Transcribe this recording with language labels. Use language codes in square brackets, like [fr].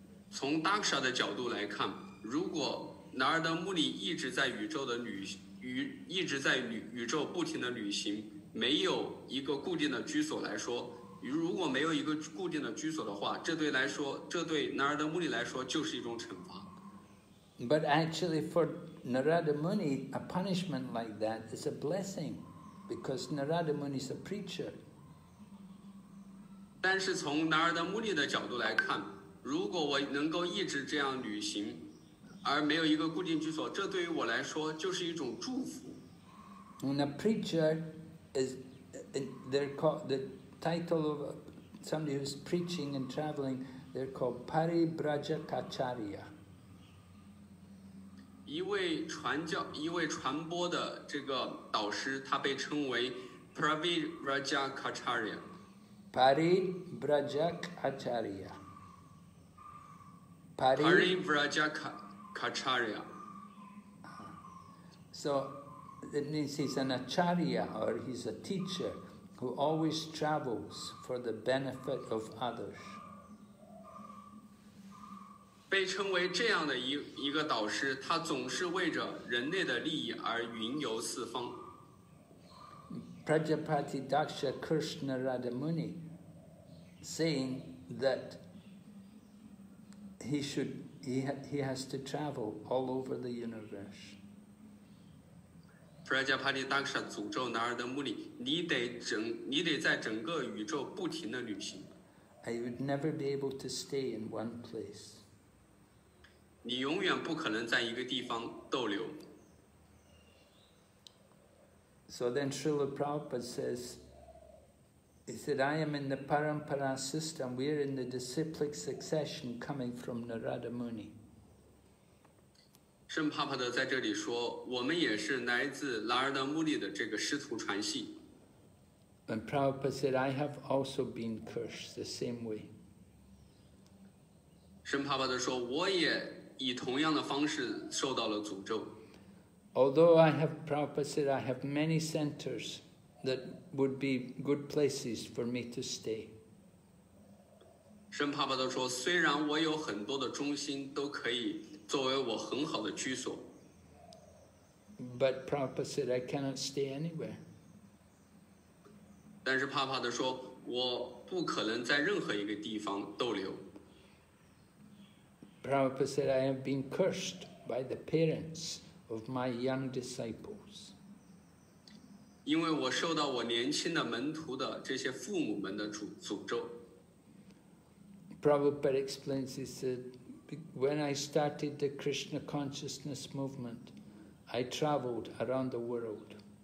[zh] 从 Daksha 的角度来看，如果 Narada Muni 一直在宇宙的宇宙不停的旅行，没有一个固定的居所来说，如果没有一个固定的居所的话，这对 Narada Muni 来说就是一种惩罚。 [en] But actually for Narada Muni, a punishment like that is a blessing, because Narada Muni is a preacher. [zh] 但是从 Narada Muni 的角度来看，如果我能够一直这样旅行，而没有一个固定居所，这对于我来说就是一种祝福。 [en] And a preacher is, they're called, the title of somebody who's preaching and traveling, they're called Paribrajakacharya. [zh] 一位传播的这个导师，他被称为 Paribrajakacharya。 [sa] Paribrajakacharya。 Paribrajakacharya。 [en] So it means he's an acharya or he's a teacher who always travels for the benefit of others. [zh] 被称为这样的一个导师，他总是为着人类的利益而云游四方。 [en] Prajapati Daksha cursed Narada Muni, saying that he has to travel all over the universe. [zh] Prajapati Daksha 诅咒 Narada Muni, 你得在整个宇宙不停的旅行。 [en] I would never be able to stay in one place. [zh] 你永远不可能在一个地方逗留。 [en] So then Srila Prabhupada says, he said, I am in the parampara system, we are in the disciplic succession coming from Narada Muni. [zh] 圣帕帕德在这里说，我们也是来自 Narada Muni 的这个师徒传系。 [en] And Prabhupada said, I have also been cursed the same way. [zh] 圣帕帕德说，我也以同样的方式受到了诅咒。 [en] Although I have, Prabhupada said, I have many centers that would be good places for me to stay. [zh] 圣帕帕德说，虽然我有很多的中心都可以作为我很好的居所。 [en] But Prabhupada said, I cannot stay anywhere. [zh] 但是帕帕德说，我不可能在任何一个地方逗留。 [en] Prabhupada said, I have been cursed by the parents of my young disciples. [zh] 因为我受到我年轻的门徒的这些父母们的诅咒。 [en] Prabhupada explains, he said, when I started the Krishna consciousness movement, I traveled around the world.